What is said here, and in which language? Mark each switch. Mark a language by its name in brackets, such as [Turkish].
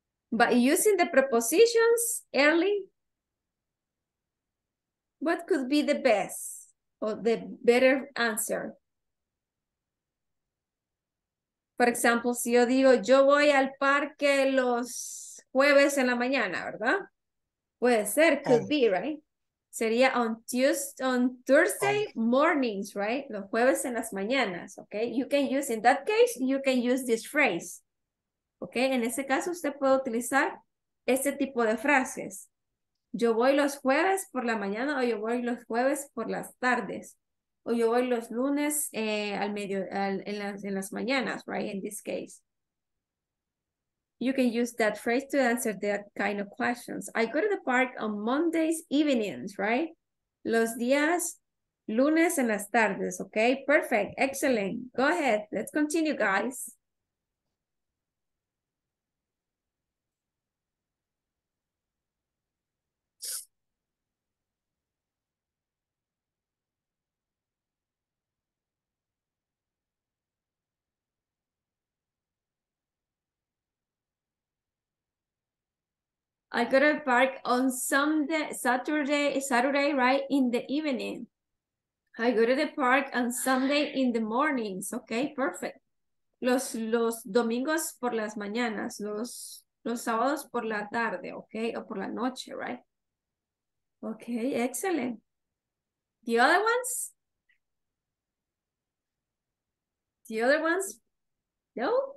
[English] But using the prepositions early, what could be the best or the better answer? For example, [Spanish] si yo digo, yo voy al parque los jueves en la mañana, ¿verdad? Puede ser, [English] could be, right? [Spanish] Sería [English] on Thursday mornings, right? [Spanish] Los jueves en las mañanas, okay? [English] You can use, in that case, you can use this phrase, okay? [Spanish] En ese caso, usted puede utilizar este tipo de frases. Yo voy los jueves por la mañana, o yo voy los jueves por las tardes, o yo voy los lunes en las mañanas, right? [English] In this case. You can use that phrase to answer that kind of questions. I go to the park on Mondays evenings, right? [Spanish] Los días lunes en las tardes, okay? [English] Perfect, excellent. Go ahead, let's continue, guys. I go to the park on Saturday, right, in the evening. I go to the park on Sunday in the mornings. Okay, perfect. [Spanish] Los domingos por las mañanas, los sábados por la tarde, okay, o por la noche, right? [English] Okay, excellent. The other ones? No?